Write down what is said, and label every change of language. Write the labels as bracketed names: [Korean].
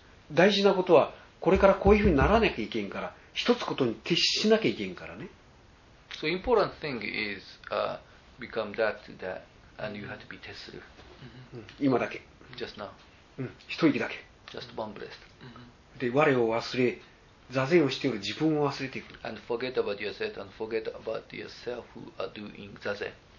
[Japanese] 大事なことはこれからこういうふうにならなきゃいけんから、一つことに徹しなきゃいけんからね。 [English] So important thing is、become that that and you have to be tested. [Japanese] 今だけ。 [English] Just now. [Japanese] 一息だけ。 [English] Just one breath. [Japanese] で我を忘れ、座禅をしている自分を忘れていく。 [English] And forget about yourself and forget about yourself who are doing zazen.